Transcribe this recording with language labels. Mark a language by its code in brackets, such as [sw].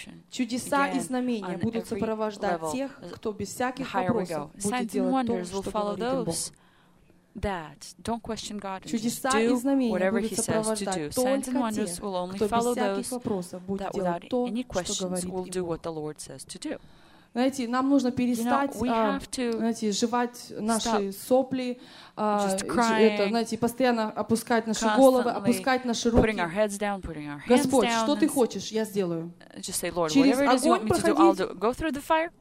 [ru] Чудеса и знамения будут сопровождать тех, кто без всяких вопросов будет делать то, что говорит Бог. [en] That don't question God and just do whatever He says to do. Signs and wonders will only follow those that without any questions will do what the Lord says to do. [ru] Знаете, нам нужно перестать, жевать наши сопли, постоянно опускать наши головы, опускать наши руки. [en] Putting our heads down, putting our hands [ru] Господь, что ты хочешь, я сделаю. [en] Just say, Lord, [ru] через огонь [en] you want me [ru] проходить, [en] to do, I'll do. Go through the fire.